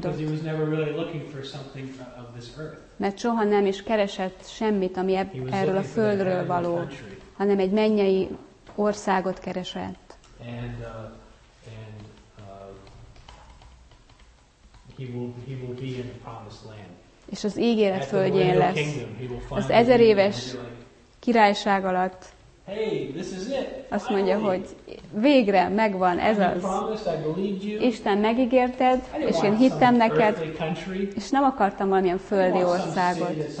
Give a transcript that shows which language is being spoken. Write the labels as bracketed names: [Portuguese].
[English] Because he was never really looking for something of this earth. [Hungarian] Mert soha nem is keresett semmit, ami erről a földről való, hanem egy mennyei országot keresett. [English] He will be in the promised land. [Hungarian] És az ígéret földjén lesz. Az ezer éves királyság alatt. [English] Hey, this is it. [Hungarian] Azt mondja, hogy végre megvan, ez az. Isten megígérted, és én hittem neked, és nem akartam valamilyen földi országot.